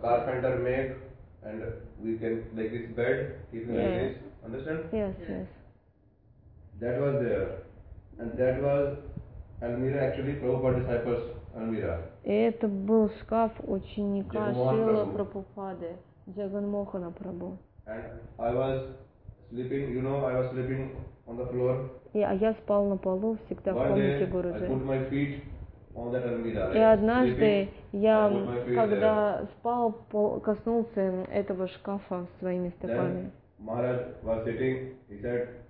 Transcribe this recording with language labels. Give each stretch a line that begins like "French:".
English: carpenter make, and we can, like this bed, keep it like this. Understand? Yes. That was there. And that was Almira, actually, Prabhupada disciples.
Russian: И это был шкаф ученика Шрилы Прабхупады, Джаганмохана Прабху.
English: And I was sleeping, you know, I was sleeping on the floor.
Russian: Я спал на полу всегда, помните, Гуруджи.
English: I put my feet on that almira.
Russian: И однажды я, когда спал, коснулся этого шкафа своими стопами.
English: Maharaj was sitting, he said,